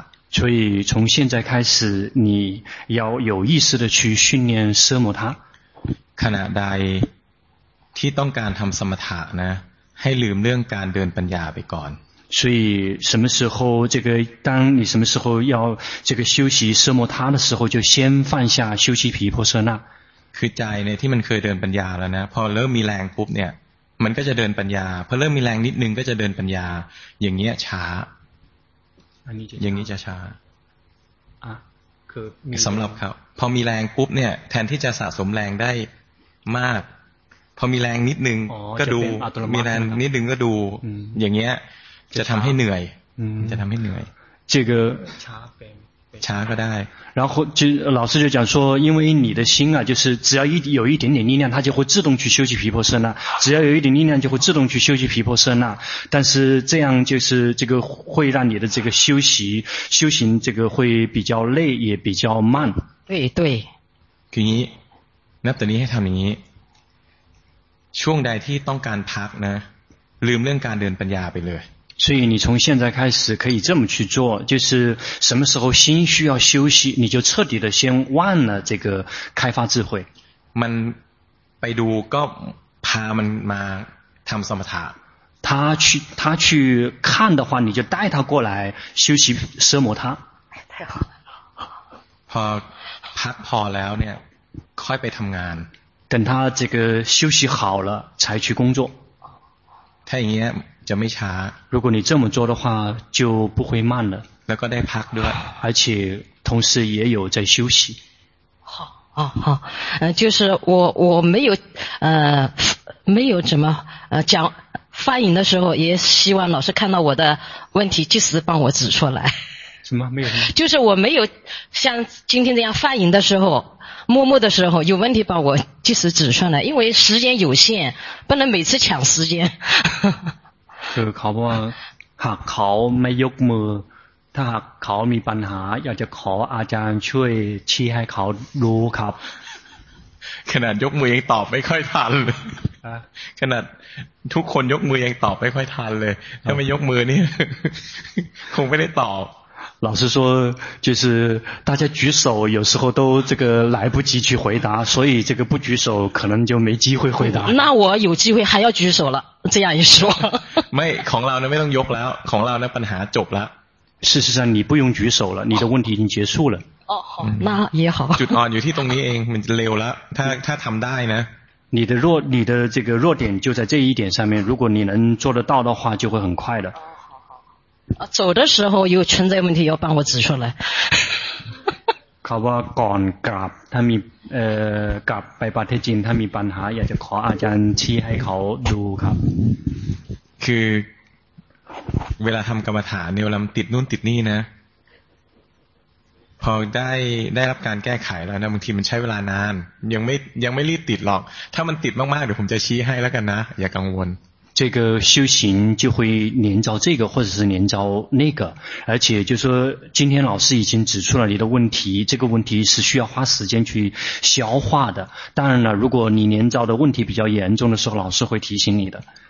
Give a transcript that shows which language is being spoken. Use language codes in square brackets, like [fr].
[zh] 所以从现在开始你要有意识的去训练奢摩他。 [th] ขณะใดที่ต้องการทำสมถะนะให้ลืมเรื่องการเดินปัญญาไปก่อน [zh] 所以什么时候这个当你什么时候要这个修习奢摩他的时候就先放下修习毗婆舍那 [th] คือใจเนี่ยที่มันเคยเดินปัญญาแล้วนะพอเริ่มมีแรงปุ๊บเนี่ยมันก็จะเดินปัญญาพอเริ่มมีแรงนิดนึงก็จะเดินปัญญาอย่างเงี้ยช้า อันนี้จะ อย่างนี้จะช้า อ่ะคือ สำหรับเขาพอมีแรงปุ๊บเนี่ยแทนที่จะสะสมแรงได้มากพอมีแรงนิดนึงก็ดูมี แรงนิดนึงก็ดูอย่างเงี้ยจะทำให้เหนื่อยจะทำให้เหนื่อย [zh] 这个 [th] ช้าเป็น ช้าก็ได้ [zh] 然后就老师就讲说因为你的心啊就是只要一有一点点力量它就会自动去修习毗婆舍那只要有一点力量就会自动去修习毗婆舍那但是这样就是这个会让你的这个修行这个会比较累也比较慢对 [th] คือนี้นับตอนนี้ให้ทำอย่างนี้ช่วงใดที่ต้องการพักนะลืมเรื่องการเดินปัญญาไปเลย [zh] 所以你从现在开始可以这么去做就是什么时候心需要休息你就彻底的先忘了这个开发智慧 [th] มันไปดูก็พามันมาทำสมถะ [zh] 他去看的话你就带他过来休息奢摩他太好了 [th] พอพักพอแล้วเนี่ยค่อยไปทำงาน [zh] 等他这个休息好了才去工作 [th] ถ้าอย่างนี้จะไม่ช้า [zh] 如果你这么做的话就不会慢了 [th] แล้วก็ได้พักด้วย [zh] 而且同时也有在休息好就是我没有怎么讲发言的时候也希望老师看到我的问题及时帮我指出来什么没有什么就是我没有像今天这样发言的时候默默的时候有问题把我及时指出来因为时间有限不能每次抢时间 [th] คือเขาบอกว่าหากเขาไม่ยกมือถ้าเขามีปัญหาอยากจะขออาจารย์ช่วยชี้ให้เขารู้ครับ ขนาดยกมือยังตอบไม่ค่อยทันเลยขนาดทุกคนยกมือยังตอบไม่ค่อยทันเลยถ้าไม่ยกมือนี่คงไม่ได้ตอบ [zh] 老师说就是大家举手有时候都这个来不及去回答所以这个不举手可能就没机会回答那我有机会还要举手了这样一说 [th] 没ของเราเนี่ยไม่ต้องยกแล้วของเราเนี่ยปัญหาจบแล้ว [zh] 事实上你不用举手了你的问题已经结束了哦好那也好 [th] จุดอ่อนอยู่ที่ตรงนี้เองมันเร็วแล้วถ้าทำได้นะ [zh] 你的这个弱点就在这一点上面如果你能做得到的话就会很快的走的时候有存在问题要帮我指出来 [th] เขาว่าก่อนกลับถ้ามีกลับไปประเทศจีนถ้ามีปัญหาอยากจะขออาจารย์ชี้ให้เขาดูครับ คือเวลาทำกรรมฐานเนี่ยเราติดนู่นติดนี่นะพอได้รับการแก้ไขแล้วนะบางทีมันใช้เวลานานยังไม่รีบติดหรอกถ้ามันติดมากๆเดี๋ยวผมจะชี้ให้แล้วกันนะอย่ากังวล [zh] 这个修行就会连招这个或者是连招那个而且就是说今天老师已经指出了你的问题这个问题是需要花时间去消化的当然了如果你连招的问题比较严重的时候老师会提醒你的